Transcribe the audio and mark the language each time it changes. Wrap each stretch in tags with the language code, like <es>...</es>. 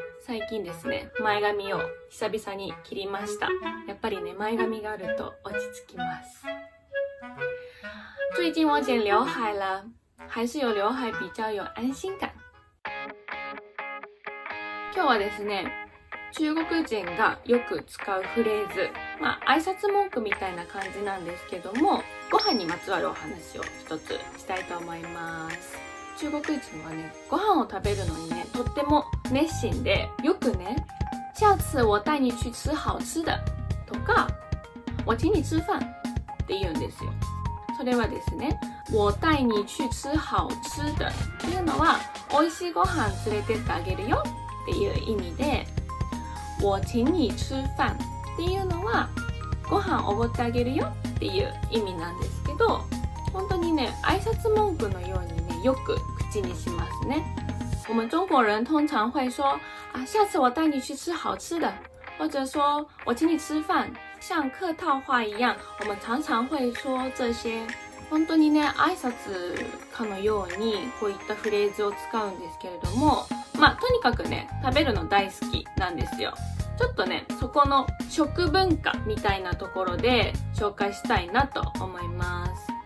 <ja>最近ですね、前髪を久々に切りました。やっぱりね、前髪があると落ち着きます。</ja> <zh>最近我剪刘海了、还是有刘海比较有安心感。</zh> <ja>今日はですね、中国人がよく使うフレーズ、まあ挨拶文句みたいな感じなんですけども、ご飯にまつわるお話を一つしたいと思います。中国人はね、ご飯を食べるのにね、とっても熱心で、よくね、</ja> <zh>下次我带你去吃好吃的</zh> <ja>とか、</ja> <zh>我请你吃饭</zh> <ja>って言うんですよ。それはですね、</ja> <zh>我带你去吃好吃的</zh> <ja>っていうのは、美味しいご飯連れてってあげるよっていう意味で、</ja> <zh>我请你吃饭</zh> <ja>っていうのは、ご飯おごってあげるよっていう意味なんですけど、本当にね、挨拶文句のようにね、よく口にしますね。</ja> <zh>我们中国人通常会说、啊、下次我带你去吃好吃的，或者说我请你吃饭，像客套话一样，我们常常会说这些。</zh> <ja>本当にね、挨拶かのようにこういったフレーズを使うんですけれども、まあ、とにかくね、食べるの大好きなんですよ。ちょっとね、そこの食文化みたいなところで紹介したいなと思います。</ja>